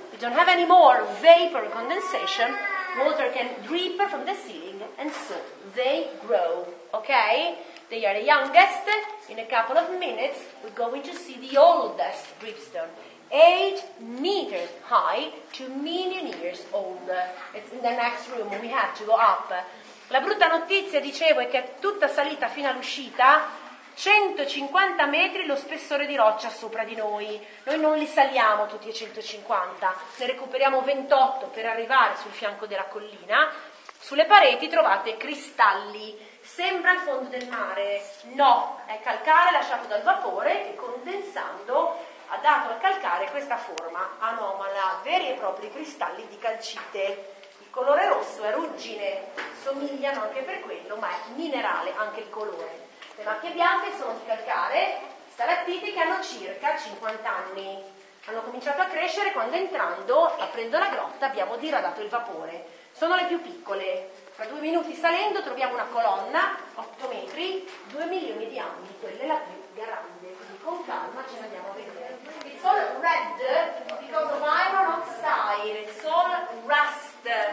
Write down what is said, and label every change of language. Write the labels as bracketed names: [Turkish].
[English] We don't have any more vapor condensation. Water can drip from the ceiling, and so they grow. Okay? They are the youngest. In a couple of minutes, we're going to see the oldest dripstone, 8 meters high, 2 million years old. It's in the next room. We have to go up. [Italian] La brutta notizia, dicevo, è che tutta salita fino all'uscita, 150 metri lo spessore di roccia sopra di noi. Noi non li saliamo tutti a 150, ne recuperiamo 28 per arrivare sul fianco della collina. Sulle pareti trovate cristalli, sembra il fondo del mare. No, è calcare lasciato dal vapore che condensando ha dato al calcare questa forma anomala, veri e propri cristalli di calcite. Il colore rosso è ruggine, somigliano anche per quello, ma è minerale anche il colore. Le macchie bianche sono di calcare, stalattiti che hanno circa 50 anni. Hanno cominciato a crescere quando entrando, aprendo la grotta, abbiamo diradato il vapore. Sono le più piccole. Tra 2 minuti salendo troviamo una colonna, 8 metri, 2 milioni di anni, quella è la più grande. Quindi con calma ce ne andiamo a vedere. [English] It's all red because of iron oxide, it's all rust.